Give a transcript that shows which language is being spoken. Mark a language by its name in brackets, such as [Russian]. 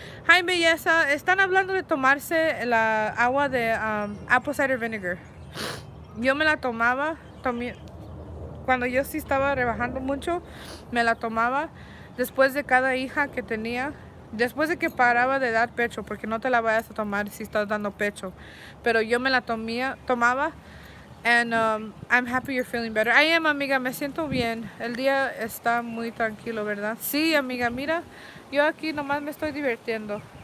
[Spanish] Hi, belleza, están hablando de tomarse la agua de apple cider vinegar. Yo me la tomaba, cuando yo sí estaba rebajando mucho, me la tomaba después de cada hija que tenía, después de que paraba de dar pecho, porque no te la vayas a tomar si estás dando pecho. Pero yo me la tomaba, [English] and I'm happy you're feeling better. I am, [Spanish] amiga, me siento bien. El día está muy tranquilo, ¿verdad? Sí, amiga, mira, yo aquí nomás me estoy divirtiendo.